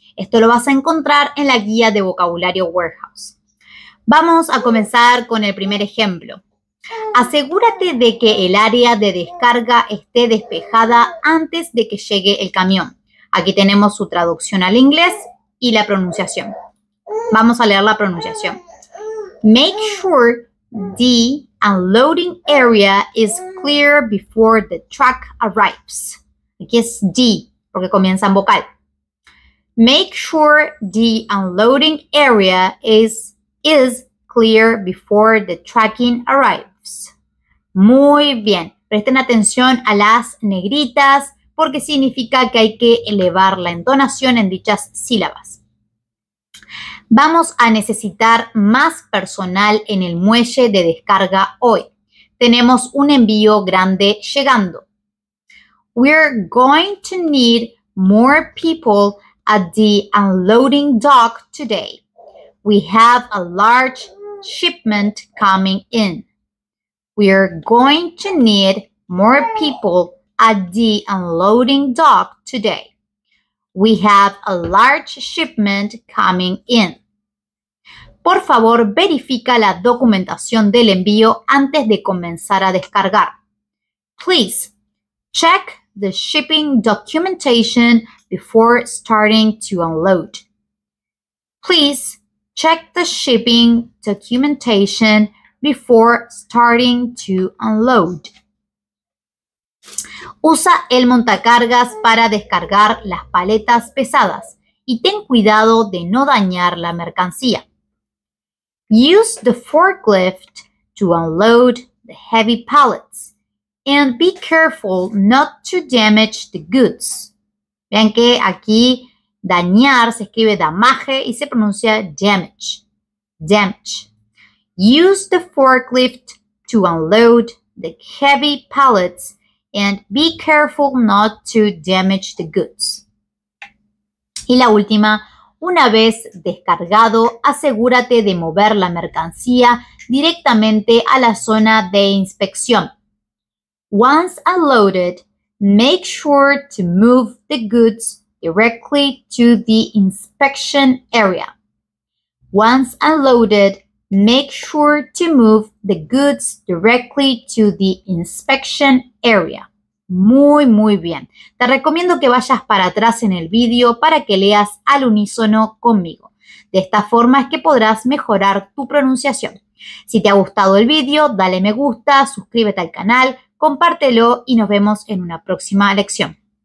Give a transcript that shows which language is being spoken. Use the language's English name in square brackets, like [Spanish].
[Spanish] Esto lo vas a encontrar en la guía de vocabulario Warehouse. Vamos a comenzar con el primer ejemplo. Asegúrate de que el área de descarga esté despejada antes de que llegue el camión. Aquí tenemos su traducción al inglés y la pronunciación. Vamos a leer la pronunciación. [English] Make sure the unloading area is clear before the truck arrives. [Spanish] Aquí es D, porque comienza en vocal. [English] Make sure the unloading area is clear before the trucking arrives. [Spanish] Muy bien. Presten atención a las negritas, porque significa que hay que elevar la entonación en dichas sílabas. Vamos a necesitar más personal en el muelle de descarga hoy. Tenemos un envío grande llegando. [English] We're going to need more people at the unloading dock today. We have a large shipment coming in. We're going to need more people at the unloading dock today. We have a large shipment coming in. [Spanish] Por favor, verifica la documentación del envío antes de comenzar a descargar. [English] Please check the shipping documentation before starting to unload. Please check the shipping documentation before starting to unload. [Spanish] Usa el montacargas para descargar las paletas pesadas y ten cuidado de no dañar la mercancía. [English] Use the forklift to unload the heavy pallets and be careful not to damage the goods. [Spanish] Vean que aquí dañar se escribe damaje y se pronuncia damage. Damage. [English] Use the forklift to unload the heavy pallets and be careful not to damage the goods. [Spanish] Y la última. Una vez descargado, asegúrate de mover la mercancía directamente a la zona de inspección. [English] Once unloaded, make sure to move the goods directly to the inspection area. Once unloaded, make sure to move the goods directly to the inspection area. [Spanish] Muy, muy bien. Te recomiendo que vayas para atrás en el video para que leas al unísono conmigo. De esta forma es que podrás mejorar tu pronunciación. Si te ha gustado el video, dale me gusta, suscríbete al canal, compártelo y nos vemos en una próxima lección.